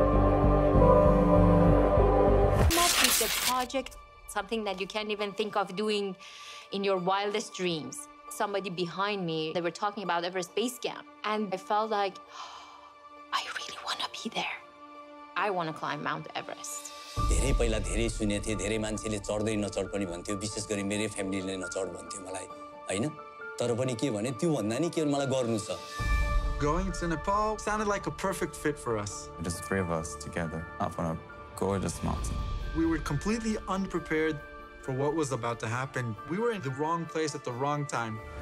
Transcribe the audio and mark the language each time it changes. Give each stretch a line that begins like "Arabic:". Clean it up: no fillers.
English: Not with a project, something that you can't even think of doing in your wildest dreams. Somebody behind me, they were talking about Everest Base Camp, and I felt like, oh, I really want to be there. I want to climb Mount Everest.
Nepali: धेरै पहिला धेरै सुने थिए धेरै मान्छेले चढ्दै नचढ पनि भन्थ्यो विशेष गरी मेरो फ्यामिलीले नचढ भन्थ्यो मलाई हैन तर पनि के भने त्यो भन्दा नि के मलाई गर्नु छ.
English: Going to Nepal sounded like a perfect fit for us. Just three of us together up on a gorgeous mountain. We were completely unprepared for what was about to happen. We were in the wrong place at the wrong time.